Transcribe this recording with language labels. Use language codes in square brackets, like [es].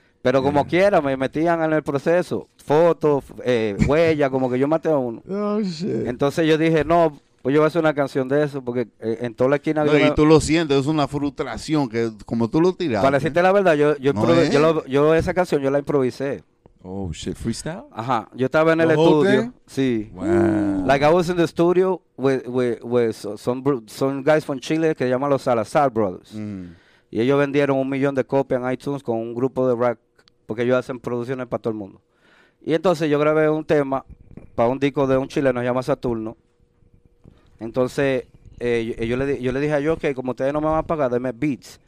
[es] Pero como quiera, me metían en el proceso, fotos, huellas, como que yo maté a uno. [en] Oh, shit. [es] Entonces yo dije, no. Pues yo voy a hacer una canción de eso, porque en toda la esquina... No, y tú lo sientes, es una frustración, que como tú lo tiraste... Para decirte la verdad, yo esa canción yo la improvisé. [en] Oh, shit, freestyle? [es] Ajá, yo estaba en el estudio. Thing? Sí. [en] Wow. Like, I was in the studio with some guys from Chile [es] que se llaman los Salazar Brothers. Mm. Y ellos vendieron 1,000,000 de copias en iTunes con un grupo de rock, porque ellos hacen producciones para todo el mundo. Y entonces yo grabé un tema para un disco de un chileno, se llama Saturno. Entonces, yo le dije a ellos, okay, como ustedes no me van a pagar, denme beats.